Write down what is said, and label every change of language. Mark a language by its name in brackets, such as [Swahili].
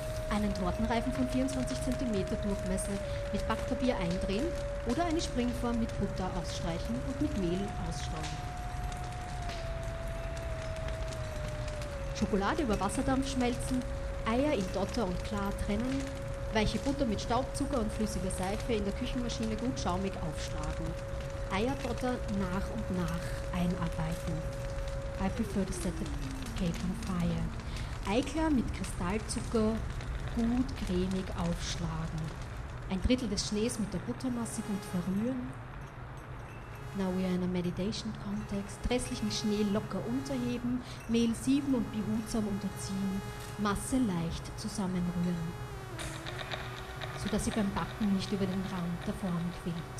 [German] Einen Tortenreifen von 24 cm Durchmesser mit Backpapier eindrehen oder eine Springform mit Butter ausstreichen und mit Mehl ausstreuen. Schokolade über Wasserdampf schmelzen, Eier in Dotter und Klar trennen, weiche Butter mit Staubzucker und flüssiger Seife in der Küchenmaschine gut schaumig aufschlagen. Eierdotter nach und nach einarbeiten. [English] I prefer to set the cake on fire. [German] Eiklar mit Kristallzucker gut cremig aufschlagen. Ein Drittel des Schnees mit der Buttermasse gut verrühren. [English] Now we are in a meditation context. [German] Restlichen Schnee locker unterheben, Mehl sieben und behutsam unterziehen, Masse leicht zusammenrühren, sodass sie beim Backen nicht über den Rand der Form quillt.